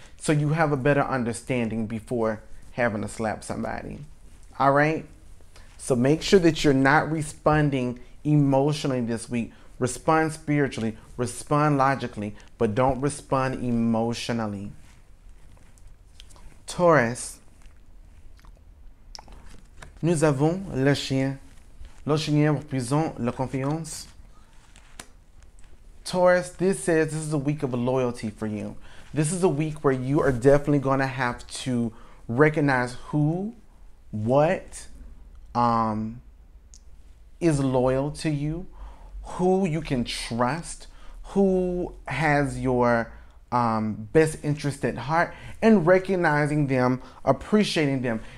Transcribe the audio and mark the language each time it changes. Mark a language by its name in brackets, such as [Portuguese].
[English] So you have a better understanding before having to slap somebody. All right? So make sure that you're not responding emotionally this week. Respond spiritually. Respond logically. But don't respond emotionally. [French] Taurus, nous avons le chien. Le chien représente la confiance. [English] Taurus, this is a week of loyalty for you. This is a week where you are definitely going to have to recognize who, what is loyal to you, who you can trust, who has your best interest at heart, and recognizing them, appreciating them.